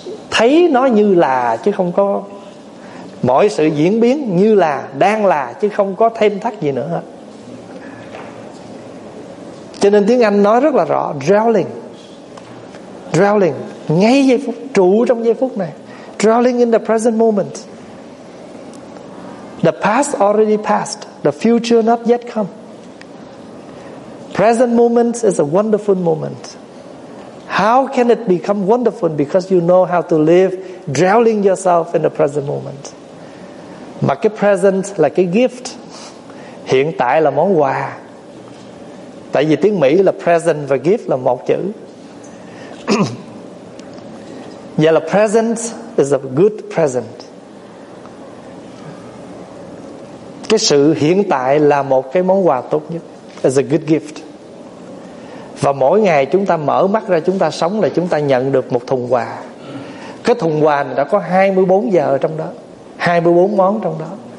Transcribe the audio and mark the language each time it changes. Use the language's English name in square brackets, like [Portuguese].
[Vietnamese] Thấy nó như là, chứ không có. Mọi sự diễn biến như là, đang là, chứ không có thêm thắt gì nữa. Cho nên tiếng Anh nói rất là rõ, dwelling. Dwelling, ngay giây phút, trụ trong giây phút này. [English] Dwelling in the present moment. The past already passed, the future not yet come. Present moment is a wonderful moment. How can it become wonderful? Because you know how to live, drowning yourself in the present moment. [Vietnamese] Mà cái present là cái gift, hiện tại là món quà. Tại vì tiếng Mỹ là present và gift là một chữ. [English] Vậy là present is a good present. [Vietnamese] Cái sự hiện tại là một cái món quà tốt nhất, [English] is a good gift. [Vietnamese] Và mỗi ngày chúng ta mở mắt ra, chúng ta sống là chúng ta nhận được một thùng quà. Cái thùng quà này đã có 24 giờ trong đó, 24 món trong đó.